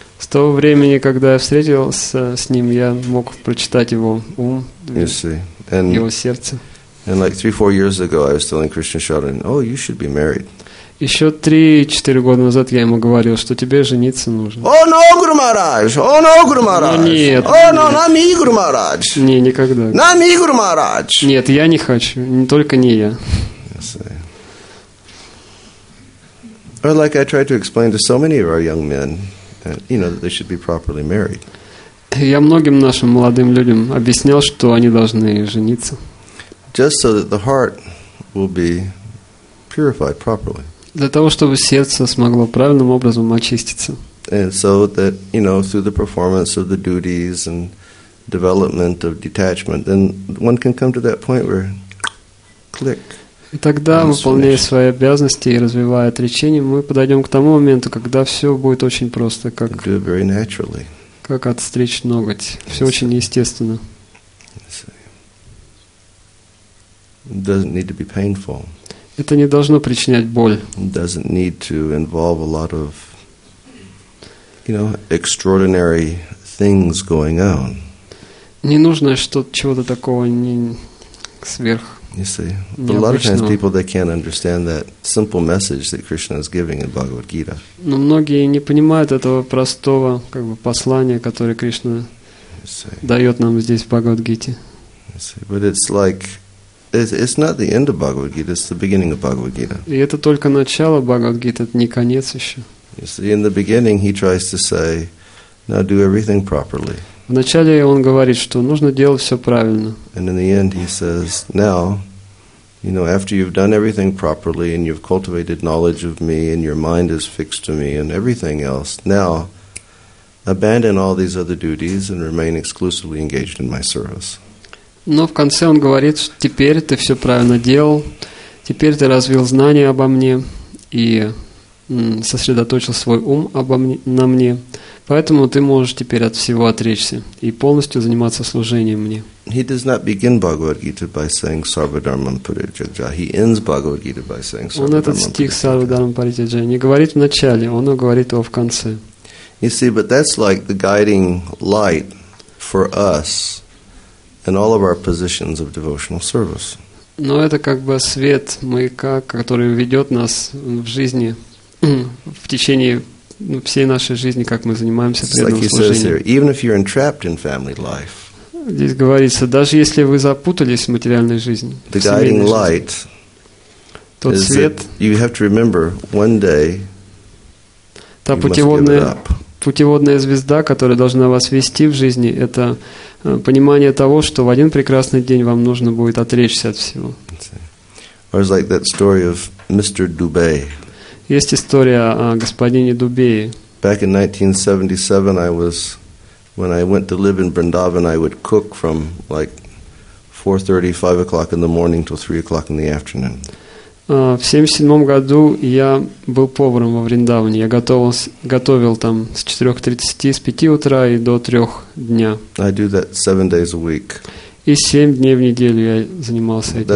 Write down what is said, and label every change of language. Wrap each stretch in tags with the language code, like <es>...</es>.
<ru>С того времени, когда я встретился с ним, я мог прочитать его ум, его сердце.</ru> <en>And like 3-4 years ago, I was telling Krishna Sharan, oh, you should be married.</en> <ru>Еще 3-4 года назад я ему говорил, что тебе жениться нужно.</ru> <en>Oh, no, Guru Maharaj! Oh, no, Guru Maharaj!</en> <ru>Нет.</ru> <en>Oh, no,</en> <hi>нами,</hi> <en>Guru Maharaj!</en> <ru>Не, никогда.</ru> <hi>Нами,</hi> <en>Guru Maharaj!</en> <ru>Нет, я не хочу. Только не я.</ru> <en>Or like I tried to explain to so many of our young men, you know, that they should be properly married.</en> <ru>Я многим нашим молодым людям объяснял, что они должны жениться.</ru> <en>Just so that the heart will be purified properly.</en> <ru>Для того, чтобы сердце смогло правильным образом очиститься.</ru> <en>And so that, you know, through the performance of the duties and development of detachment, then one can come to that point where click.</en> <ru>И тогда, выполняя свои обязанности и развивая отречение, мы подойдем к тому моменту, когда все будет очень просто, как отстричь ноготь. Все очень естественно.</ru> <en>Doesn't need to be painful.</en> <ru>Это не должно причинять боль.</ru> <en>Doesn't need to involve a lot of, you know, extraordinary things going on.</en> <ru>Не нужно чего-то такого не сверх.</ru> <en>You see, but a lot of times people, they can't understand that simple message that Krishna is giving in Bhagavad Gita.</en> <ru>Но многие не понимают этого простого, как бы, послания, которое Кришна дает нам здесь в Бхагавад Гите.</ru> <en>But it's like, it's not the end of Bhagavad Gita, it's the beginning of Bhagavad Gita.</en> <ru>И это только начало Бхагавад Гиты, это не конец еще.</ru> <en>You see, in the beginning he tries to say, now do everything properly.</en> <ru>Вначале он говорит, что нужно делать все правильно.</ru> <en>And in the end he says, now, you know, after you've done everything properly and you've cultivated knowledge of me and your mind is fixed to me and everything else, now abandon all these other duties and remain exclusively engaged in my service.</en> <ru>Но в конце он говорит, теперь ты все правильно делал, теперь ты развил знания обо мне и сосредоточил свой ум на мне. Поэтому ты можешь теперь от всего отречься и полностью заниматься служением мне.</ru> <en>He does not begin Bhagavad Gita by saying Sarvadharmam Parityajya. He ends Bhagavad Gita by saying Sarvadharmam</en> <ru>Parityajya. Он этот стих Sarvadharmam Parityajya не говорит в начале, он говорит его в конце.</ru> <en>You see, but that's like the guiding light for us in all of our positions of devotional service.</en> <ru>Но это как бы свет, маяка, который ведет нас в жизни в течение всей нашей жизни, как мы занимаемся преданным служением.</ru> <en>Even if you're entrapped in family life.</en> <ru>Здесь говорится, даже если вы запутались в материальной жизни,</ru> <en>the guiding light,</en> <ru>тот свет,</ru> <en>you have to remember one day.</en> <ru>Та путеводная звезда, которая должна вас вести в жизни, это понимание того, что в один прекрасный день вам нужно будет отречься от всего.</ru> <en>Or it's like that story of Mr. Dubey.</en> <ru>Есть история о господине Дубее.</ru> <en>Back in 1977, when I went to live in Vrindavan, I would cook from like 4:30, 5 o'clock in the morning till 3 o'clock in the afternoon.</en> <ru>В 77 году я был поваром во Вриндаване. Я готовил там с 4:30, с 5 утра и до 3 дня.</ru> <en>I do that 7 days a week.</en> <ru>И 7 дней в неделю я занимался этим</ru>